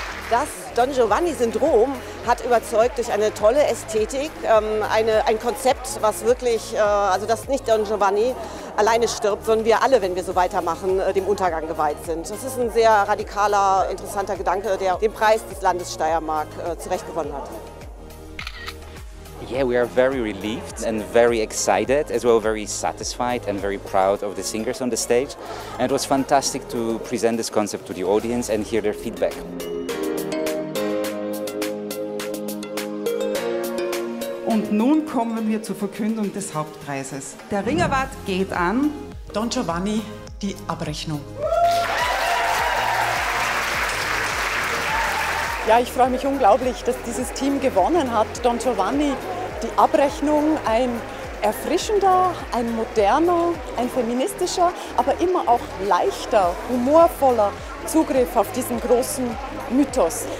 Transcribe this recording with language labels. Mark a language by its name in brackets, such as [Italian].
[German] Das Don Giovanni-Syndrom hat überzeugt durch eine tolle Ästhetik, ein Konzept, was wirklich, also dass nicht Don Giovanni alleine stirbt, sondern wir alle, wenn wir so weitermachen, dem Untergang geweiht sind. Das ist ein sehr radikaler, interessanter Gedanke, der den Preis des Landes Steiermark zurecht gewonnen hat. [English] Yeah, we are very relieved and very excited, as well very satisfied and very proud of the singers on the stage. And it was fantastic to present this concept to the audience and hear their feedback. [German] Und nun kommen wir zur Verkündung des Hauptpreises. Der Ringerwart geht an Don Giovanni, die Abrechnung. Ja, ich freue mich unglaublich, dass dieses Team gewonnen hat. Don Giovanni, die Abrechnung, ein erfrischender, ein moderner, ein feministischer, aber immer auch leichter, humorvoller Zugriff auf diesen großen Mythos.